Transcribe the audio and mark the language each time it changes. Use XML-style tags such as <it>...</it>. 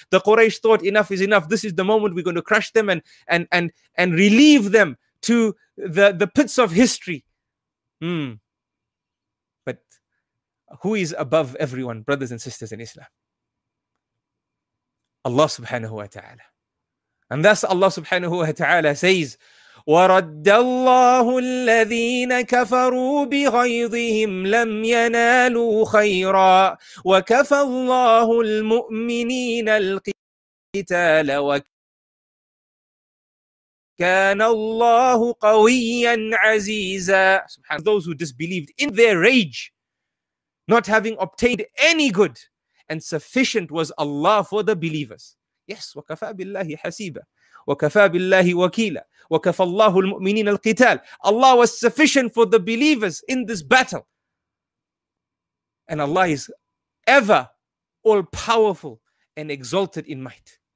<en>The Quraysh thought enough is enough. This is the moment we're going to crush them and relieve them to the pits of history. But who is above everyone, brothers and sisters in Islam? Allah subhanahu wa ta'ala.</en> <ar>And thus Allah subhanahu wa ta'ala says, وَرَدَّ اللَّهُ الَّذِينَ كَفَرُوا بِغَيْظِهِمْ لَمْ يَنَالُوا خَيْرًا وَكَفَى اللَّهُ الْمُؤْمِنِينَ الْقِتَالَ وَكَانَ اللَّهُ قَوِيًّا عَزِيزًا.</ar> <en>Those who disbelieved in their rage, not having obtained any good, and sufficient was Allah for the believers.</en> <ar>Yes, وَكَفَى بِاللَّهِ حَسِيبًا وَكَفَى بِاللَّهِ وَكِيلًا وَكَفَى اللَّهُ الْمُؤْمِنِينَ الْقِتَالِ.</ar> <en>Allah was sufficient for the believers in this battle. And Allah is ever all-powerful and exalted in might.</en>